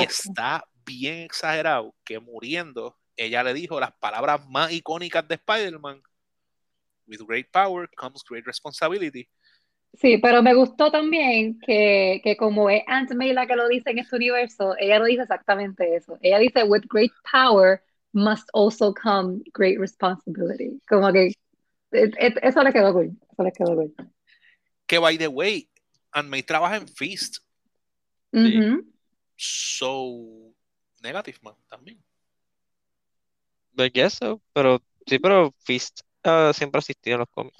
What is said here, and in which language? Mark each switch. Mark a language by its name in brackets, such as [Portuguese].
[Spanish] está bien exagerado que muriendo, ella le dijo las palabras más icónicas de Spider-Man: [English] With great power comes great responsibility. [Spanish] Sí, pero me gustó también que como es Aunt May la que lo dice en este universo, ella lo dice exactamente eso. Ella dice, [English] with great power must also come great responsibility. [Spanish] Como que eso le quedó cool. Eso le quedó cool. Que [English] by the way, [Spanish] Aunt May trabaja en Fist. Sí. [English] So negative man [Spanish] también. [English] I guess so, [Spanish] pero sí, pero Fist siempre asistía a los cómics.